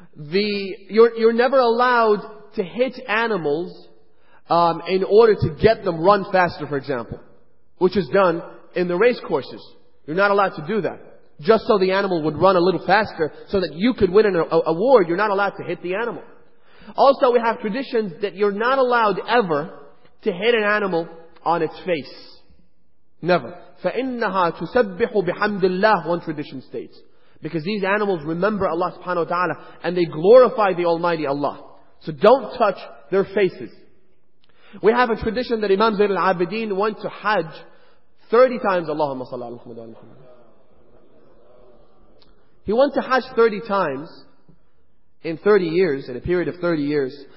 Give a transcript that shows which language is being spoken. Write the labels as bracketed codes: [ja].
[en] You're never allowed to hit animals in order to get them run faster, for example, which is done in the race courses. You're not allowed to do that. Just so the animal would run a little faster so that you could win an award, you're not allowed to hit the animal. Also, we have traditions that you're not allowed ever to hit an animal on its face. Never. [ar] فَإِنَّهَا تُسَبِّحُ بِحَمْدِ اللَّهِ, [en] one tradition states. Because these animals remember Allah subhanahu wa ta'ala and they glorify the Almighty Allah. So don't touch their faces. We have a tradition that Imam Zayn al-Abidin went to Hajj 30 times. [ar] Allahumma salli ala Muhammad wa ala Muhammad. [en] He went to Hajj 30 times in 30 years, in a period of 30 years.